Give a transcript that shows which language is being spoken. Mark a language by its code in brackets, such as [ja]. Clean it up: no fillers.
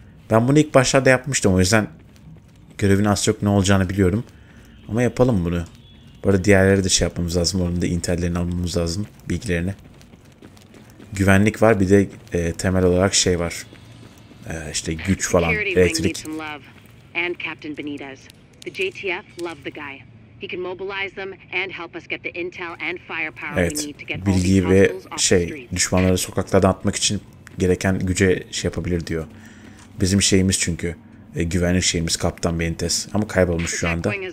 [tr] Ben bunu ilk başlarda yapmıştım o yüzden görevin az çok ne olacağını biliyorum. Ama yapalım bunu. Bu arada diğerleri de şey yapmamız lazım. Onun da intellerini almamız lazım. Bilgilerini. Güvenlik var bir de temel olarak şey var. İşte güç falan, elektrik. [en] And Captain Benitez. The JTF loved the guy. He can mobilize them and help us get the intel and firepower [tr] evet, [en] we need to get all the hostiles off the street. [tr] Düşmanları sokaklardan atmak için gereken güce şey yapabilir diyor. Bizim şeyimiz çünkü güvenlik şeyimiz Kaptan Benitez. Ama kaybolmuş şu anda.